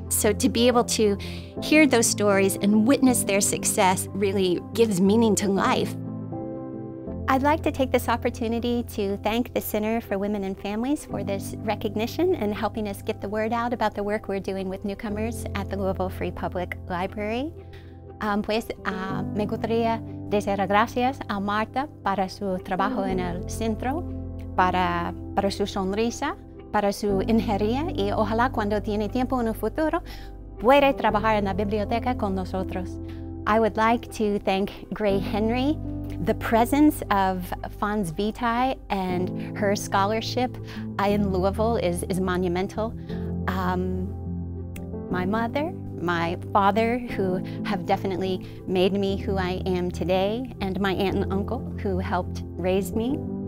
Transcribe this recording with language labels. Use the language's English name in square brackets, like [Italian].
[English] So to be able to hear those stories and witness their success really gives meaning to life. I'd like to take this opportunity to thank the Center for Women and Families for this recognition and helping us get the word out about the work we're doing with newcomers at the Louisville Free Public Library. [Spanish] Me gustaría decir gracias a Marta para su trabajo en el centro, para su sonrisa, para su ingeniería, y ojalá cuando tiene tiempo en el futuro pueda trabajar en la biblioteca con nosotros. [English] I would like to thank Gray Henry. The presence of Fons Vitae and her scholarship in Louisville is monumental. My mother, my father, who have definitely made me who I am today, and my aunt and uncle, who helped raise me.